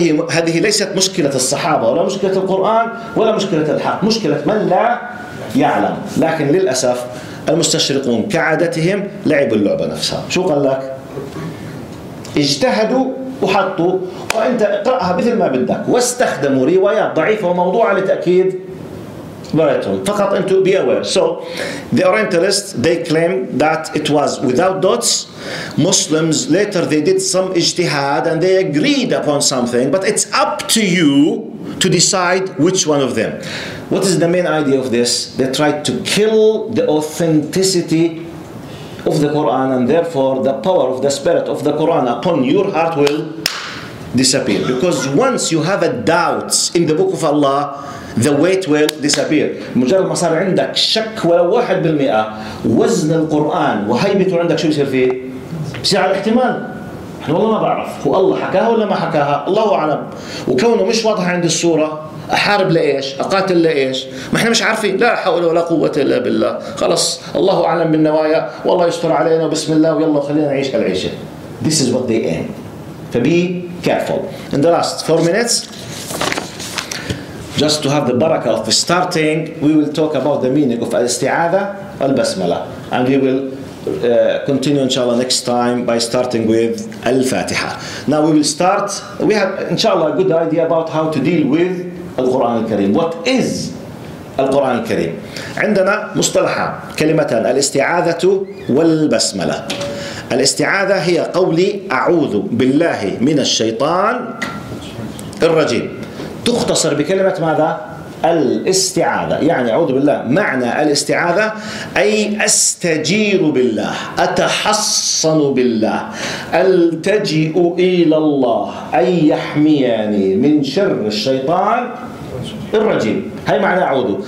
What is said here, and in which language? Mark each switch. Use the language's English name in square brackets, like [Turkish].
[Arabic] هذه ليست مشكلة الصحابة، ولا مشكلة القرآن، ولا مشكلة الحق، مشكلة من لا يعلم. لكن للأسف المستشرقون كعادتهم لعبوا اللعبة نفسها. شو قال لك؟ اجتهدوا وحطوا، وانت اقرأها مثل ما بدك، واستخدموا روايات ضعيفة وموضوعة لتأكيد بريتهم. فقط انتو [English] be aware. So the Orientalists, they claim that it was without dots. Muslims later they did some ijtihad and they agreed upon something, but it's up to you to decide which one of them. What is the main idea of this? They tried to kill the authenticity of the Quran, and therefore the power of the spirit of the Quran upon your heart will disappear. Because once you have a doubt in the book of Allah, the weight will disappear. [Arabic] مجرد ما صار عندك شك ولو 1% وزن القرآن وهيبته عندك شو يصير فيه؟ بصير على احتمال. احنا والله ما بعرف هو الله حكاها ولا ما حكاها، الله اعلم. وكونه مش واضح عند الصورة، احارب لايش؟ اقاتل لايش؟ ما احنا مش عارفين، لا حول ولا قوة الا بالله، خلص الله اعلم بالنوايا، والله يستر علينا بسم الله ويلا خلينا نعيش العيشة. [English] This is what they aim. فبي careful. In the last 4 minutes, just to have the barakah of starting, we will talk about the meaning of al-isti'adha al-basmala. And we will continue, inshallah, next time by starting with al-fatiha. Now we will start, we have, inshallah, a good idea about how to deal with al-Qur'an al-Kareem. What is al-Qur'an al-Kareem? [Arabic] عندنا مصطلحة كلمتان الاستعاذة والبسملة. الاستعاذة هي قولي أعوذ بالله من الشيطان الرجيم. تختصر بكلمة ماذا؟ الاستعاذة، يعني أعوذ بالله. معنى الاستعاذة أي أستجير بالله، أتحصن بالله، ألتجئ إلى الله أي يحميني من شر الشيطان الرجيم. هاي معنى أعوذ.